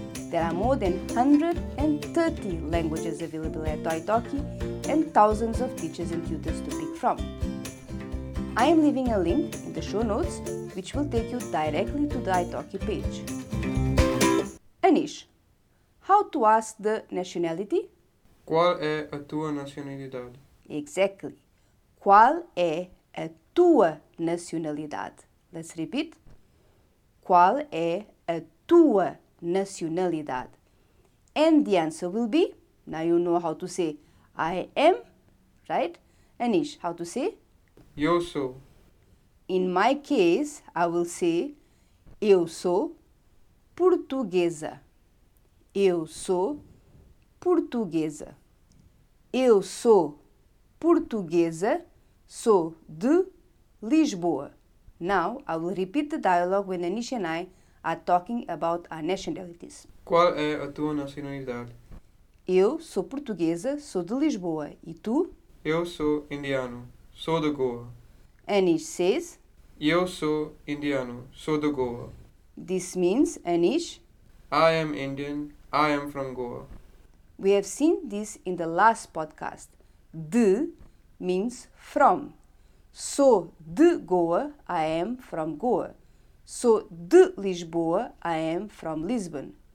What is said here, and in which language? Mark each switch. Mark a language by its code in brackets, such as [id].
[en] There are more than 130 languages available at iTalki and thousands of teachers and tutors to pick from. I am leaving a link in the show notes which will take you directly to the iTalki page. Anish, how to ask the nationality? [pt] Qual é a tua nacionalidade? [en] Exactly. [pt] Qual é a tua nacionalidade? [en] Let's repeat. [pt] Qual é a tua nacionalidade? [en] And the answer will be, now you know how to say I am, right? Anish, how to say? [pt] Eu sou. [en] In my case, I will say [pt] eu sou portuguesa. Eu sou portuguesa. Eu sou portuguesa. Sou de Lisboa. [en] Now, I will repeat the dialogue when Anish and I are talking about our nationalities. [pt] Qual é a tua nacionalidade? Eu sou portuguesa, sou de Lisboa. E tu? Eu sou indiano, sou de Goa. [en] Anish says? [pt] Eu sou indiano, sou de Goa. [en] This means, Anish? I am Indian, I am from Goa. We have seen this in the last podcast. De means from. [pt] Sou de Goa, [en] I am from Goa. [pt] Sou de Lisboa, [en] I am from Lisbon.